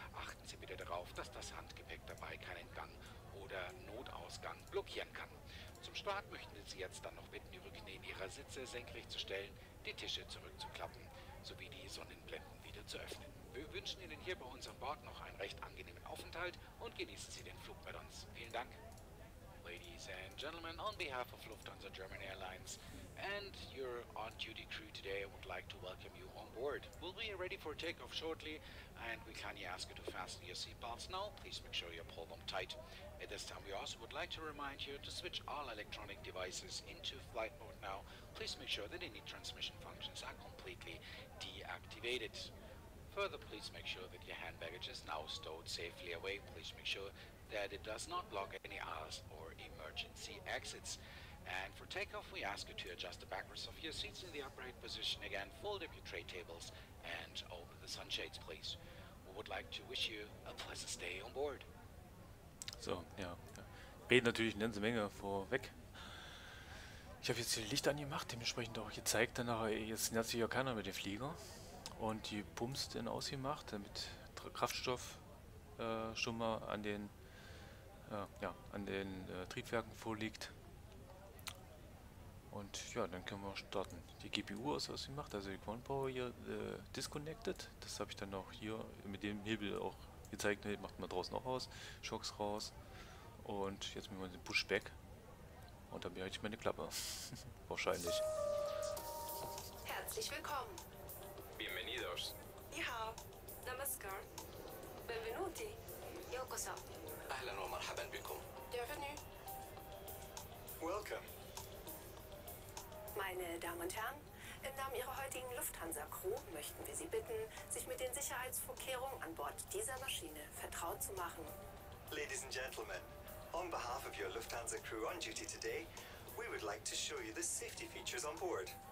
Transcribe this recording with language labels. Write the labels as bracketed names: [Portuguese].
[German] Achten Sie bitte darauf, dass das Handgepäck dabei keinen Gang oder Notausgang blockieren kann. Zum Start möchten wir Sie jetzt dann noch bitten, die Rückenlehnen Ihrer Sitze senkrecht zu stellen, die Tische zurückzuklappen sowie die Sonnenblenden wieder zu öffnen. Wir wünschen Ihnen hier bei uns an Bord noch einen recht angenehmen Aufenthalt und genießen Sie den Flug bei uns. Vielen Dank. [English] Ladies and gentlemen, on behalf of Lufthansa German Airlines and your on-duty crew today, I would like to welcome you on board. We'll be ready for takeoff shortly, and we kindly ask you to fasten your seatbelts now. Please make sure you pull them tight. At this time, we also would like to remind you to switch all electronic devices into flight mode now. Please make sure that any transmission functions are completely deactivated. Further, please make sure that your hand baggage is now stowed safely away. Please make sure that it does not block any aisles or emergency exits. And for takeoff, we ask you to adjust the backrest of your seats in the upright position again, fold up your tray tables, and open the sunshades, please. We would like to wish you a pleasant stay on board. [German] So, ja. Reden natürlich eine ganze Menge vorweg. Ich habe jetzt die Lichter angemacht, dementsprechend auch gezeigt. Danach jetzt nervt sich ja keiner mit dem Flieger. Und die Pumps dann ausgemacht, damit Kraftstoff schon mal an den, ja, an den Triebwerken vorliegt. Und ja, dann können wir starten. Die GPU ist ausgemacht, also die Ground Power hier disconnected. Das habe ich dann auch hier mit dem Hebel auch gezeigt. Das macht man draußen auch aus. Schocks raus. Und jetzt machen wir den Pushback. Und dann behalte ich meine Klappe. Wahrscheinlich. Herzlich willkommen. [Spanish] Bienvenidos. [Chinese] Ni hao. Namaskar. Benvenuti. Yokoso. [Arabic] Ahlan wa marhaban bikum. [French] Bienvenue. [English] Welcome. [German] Meine Damen und Herren, im Namen Ihrer heutigen Lufthansa-Crew möchten wir Sie bitten, sich mit den Sicherheitsvorkehrungen an Bord dieser Maschine vertraut zu machen. [English] Ladies and Gentlemen, on behalf of your Lufthansa crew on duty today, we would like to show you the safety features on board.